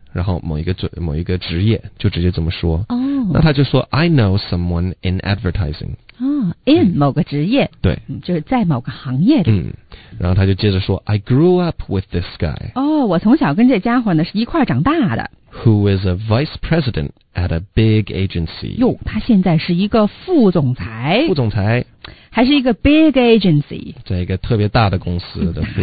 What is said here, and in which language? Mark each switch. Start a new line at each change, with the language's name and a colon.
Chinese: 然后某一个职业就直接这么说。哦、oh. ，那他就说
English: I know someone in advertising。
Chinese: 哦 ，in 某个职业。对，就是在某个行业里。嗯，然后他就接着说
English: I grew up with this guy。
Chinese: 哦，我从小跟这家伙呢是一块长大的。
English: Who is a vice president at a big agency？
Chinese: 哟，他现在是一个副总裁。副总裁。还是一个 big agency，在一个特别大的公司的副总裁